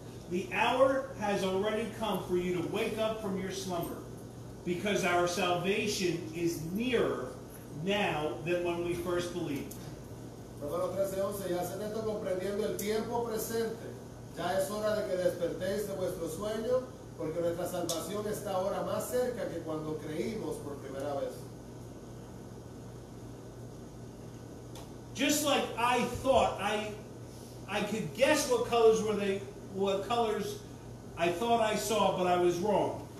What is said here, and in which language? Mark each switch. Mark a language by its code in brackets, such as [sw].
[en] The hour has already come for you to wake up from your slumber, because our salvation is nearer now than when we first believed. [es] Romanos 13:11, y hacen esto comprendiendo el tiempo presente. Ya es hora de que despertéis de vuestro sueño, porque nuestra salvación está ahora más cerca que cuando creímos por primera vez. [en] Just like I thought, I could guess what colors I thought I saw, but I was wrong.